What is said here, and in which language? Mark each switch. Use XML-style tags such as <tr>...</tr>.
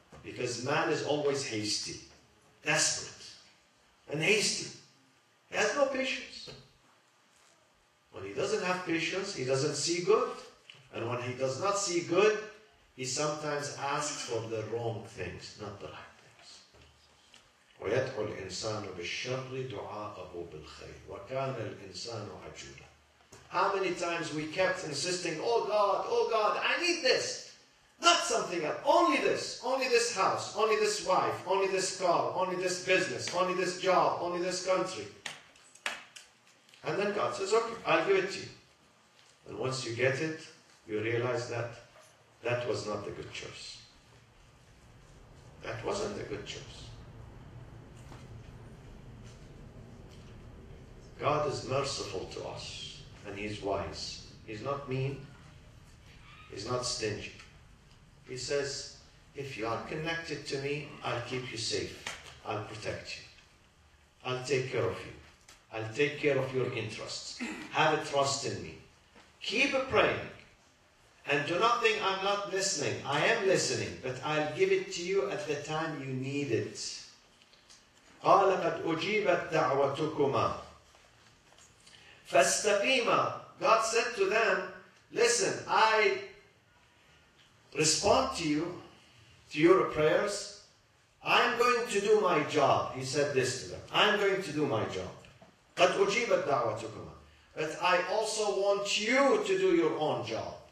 <en>Because man is always hasty, desperate, and hasty. He has no patience. When he doesn't have patience, he doesn't see good. And when he does not see good, he sometimes asks for the wrong things, not the right things.</en> <ar>ويدعو الإنسان بالشر دعاءه بالخير وكان الإنسان عجولا.</ar> <en>How many times we kept insisting, oh God, I need this, not something else, only this house, only this wife, only this car, only this business, only this job, only this country. And then God says, okay, I'll give it to you. And once you get it, you realize that that was not the good choice. That wasn't the good choice. God is merciful to us, and He's wise. He's not mean. He's not stingy. He says, if you are connected to me, I'll keep you safe. I'll protect you. I'll take care of you. I'll take care of your interests. Have a trust in me. Keep praying. And do not think I'm not listening. I am listening, but I'll give it to you at the time you need it.</en> <ar>قال قد أجيبت دعوتكما فاستقيما.</ar> <en>God said to them, listen, I respond to you, to your prayers. I'm going to do my job. He said this to them. I'm going to do my job.</en> <ar>قد أجيبت دعوتكما.</ar> <en>But I also want you to do your own job.</en>